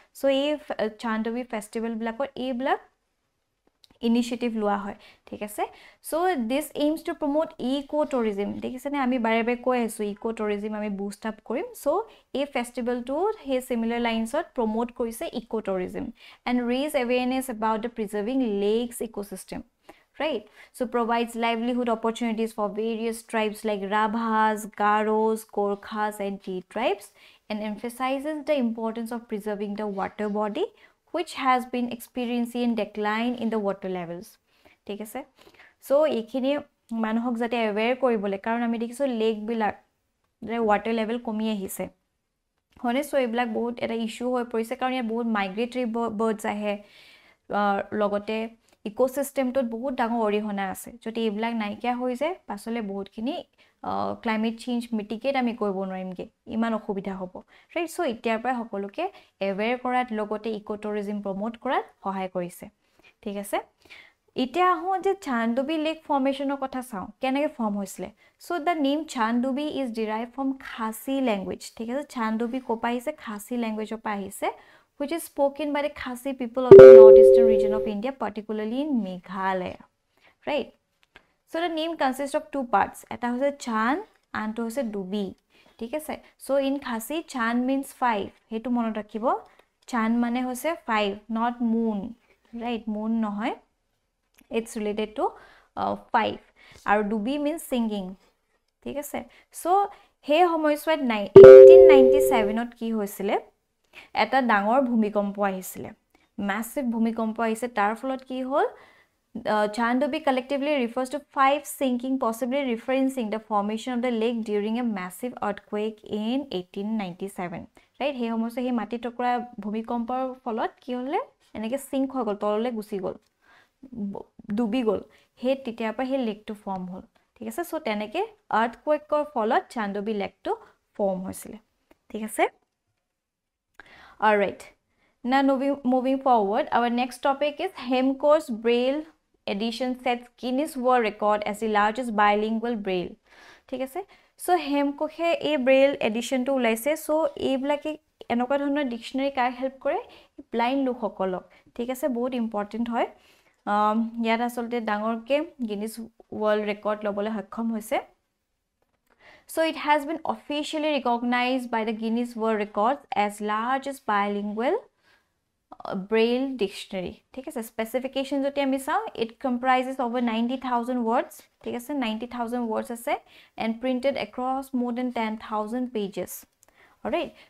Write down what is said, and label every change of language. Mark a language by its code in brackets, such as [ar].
[as] চ' এই থানডুবি ফেষ্টিভেলবিলাকত এইবিলাক ইনিচিয়েটিভ লোৱা হয়, ঠিক আছে? [en] so' this aims to promote eco' tourism, [as] দেখিছেনে? আমি বাৰে বাৰে কৈ আছোঁ ইক' টুৰিজিম আমি বুষ্ট আপ কৰিম। চ' এই ফেষ্টিভেলটো সেই চিমিলাৰ লাইনছত প্ৰম'ট কৰিছে ইক' tourism [en] and raise awareness about the preserving lakes ecosystem, [as] right? [en] So provides livelihood opportunities for various tribes like Rabhas, Garos, Gorkhas and Ji tribes and emphasizes the importance of preserving the water body which has been experiencing decline in the water levels, [as] thik ase? So ekhini manuhok jate aware koribole karon ami dekhiso lake bilak re water level komi ahise hone, so e bilak bahut eta issue hoy porise karon ya bahut migratory birds ahe logote ইক'চিষ্টেমটোত বহুত ডাঙৰ অৰিহণা আছে, যদি এইবিলাক নাইকিয়া হৈ যায় পাছলৈ বহুতখিনি ক্লাইমেট চেঞ্জ মিটিকেট আমি কৰিব নোৱাৰিমগৈ, ইমান অসুবিধা হ'ব, ৰাইট? চ' এতিয়াৰ পৰাই সকলোকে এৱেৰ কৰাত লগতে ইক' টুৰিজিম প্ৰম'ট কৰাত সহায় কৰিছে, ঠিক আছে? এতিয়া আহোঁ যে থানডুবি লেক ফৰ্মেশ্যনৰ কথা চাওঁ, কেনেকৈ ফৰ্ম হৈছিলে। [en] so' the name Thandubi is derived from Khasi language, [as] ঠিক আছে? থানডুবি ক'ৰ পৰা আহিছে, [en] খাচী লেংগুৱেজৰ পৰা আহিছে, which is spoken by the Khasi people of the northeastern region of India, particularly in Meghalaya, right? So the name consists of two parts, [as] eta hoise chan and to hoise dubi, thik ase? [en] So in Khasi chan means five, [as] hetu mon rakhibo, chan mane hoise [en] five, not moon, right? [as] Moon no hoy, [en] it's related to five, aru dubi means singing, [as] thik ase? So he homoyswat 1897ot ki hoisile এটা ডাঙৰ ভূমিকম্প আহিছিলে, massive ভূমিকম্প আহিছে, তাৰ ফলত কি হ'ল, [en] Thandubi collectively refers to five sinking, possibly referencing the formation of the lake during a massive earthquake in 1897, right? [as] সেই সময়ছোৱাত সেই মাটি টুকুৰা ভূমিকম্পৰ ফলত কি হ'লে, এনেকৈ চিংক হৈ গ'ল, তললৈ গুচি গ'ল, ডুবি গ'ল, সেই তেতিয়াৰ পৰা সেই লেকটো ফৰ্ম হ'ল, ঠিক আছে? চ' তেনেকৈ আৰ্থকুৱেকৰ ফলত থানডুবি লেকটো ফৰ্ম হৈছিলে, ঠিক আছে? [en] Alright, now moving forward, our next topic is Hemkos Braille edition sets Guinness World Record as the largest bilingual Braille, [as] ঠিক আছে? So Hemkos হে এই Braille editionটো ওলাইছে, so এইবিলাকে এনেকুৱা ধৰণৰ ডিকশ্যনেৰী কাৰ হেল্প কৰে, ব্লাইণ্ড লোকসকলক, ঠিক আছে? বহুত ইম্পৰ্টেণ্ট হয়, ইয়াত আচলতে ডাঙৰকৈ গিনিজ ৱৰ্ল্ড ৰেকৰ্ড ল'বলৈ সক্ষম হৈছে। [en] So it has been officially recognized by the Guinness World Records as largest bilingual braille dictionary, [as] thik ase? Specification jodi ami sao, [en] it comprises over 90,000 words, [as] thik ase? [en] 90,000 words [as] ase [en] and printed across more than 10,000 pages, all right?